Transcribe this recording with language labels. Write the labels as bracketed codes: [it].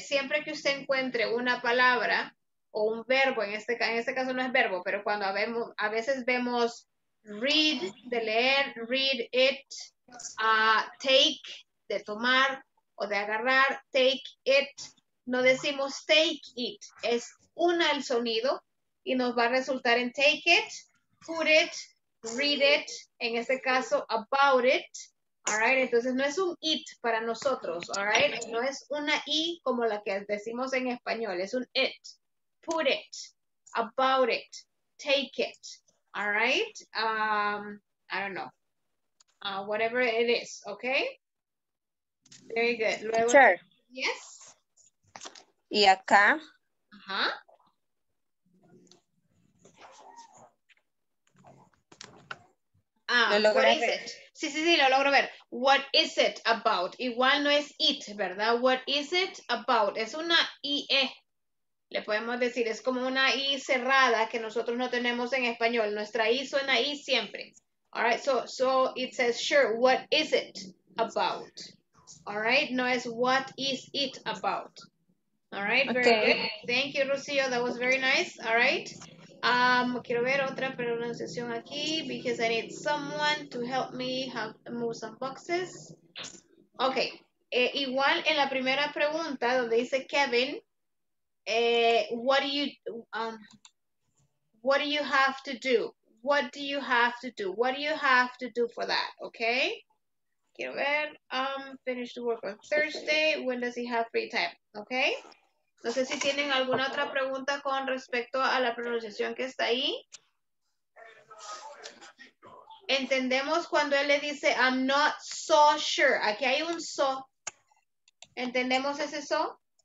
[es] Siempre que usted encuentre una palabra o un verbo, en este caso no es verbo, pero cuando a veces vemos read, de leer, [en] read it, [es] take, de tomar o de agarrar, [en] take it, [es] no decimos take it, es una el sonido. Y nos va a resultar en [en] take it, put it, read it, [es] en este caso, [en] about it, all right? [es] Entonces, no es un it para nosotros, [en] all right? [es] No es una I como la que decimos en español, es un it. [en] Put it, about it, take it, all right? I don't know. Whatever it is, okay? Very good. [es] Luego, [en] sure. Yes? [es] Y acá. Ajá. [en] Ah, what is it? [es] Sí, sí, sí, lo logro ver. [en] What is it about? [es] Igual no es [en] it, ¿verdad? What is it about? [es] Es una IE. Le podemos decir, es como una I cerrada que nosotros no tenemos en español. Nuestra I suena I siempre. [en] All right, so it says, sure, what is it about? All right, [es] no es [en] what is it about. All right, okay. Very good. Thank you, Rocío. That was very nice. All right. [es] Quiero ver otra pronunciación aquí, [en] because I need someone to help me move some boxes. [es] Ok, igual en la primera pregunta donde dice Kevin, [en] what do you have to do for that, [es] ok? Quiero ver, [en] finish the work on Thursday, when does he have free time, ok? [es] No sé si tienen alguna otra pregunta con respecto a la pronunciación que está ahí. Entendemos cuando él le dice, [en] I'm not so sure. [es] Aquí hay un so. ¿Entendemos ese so?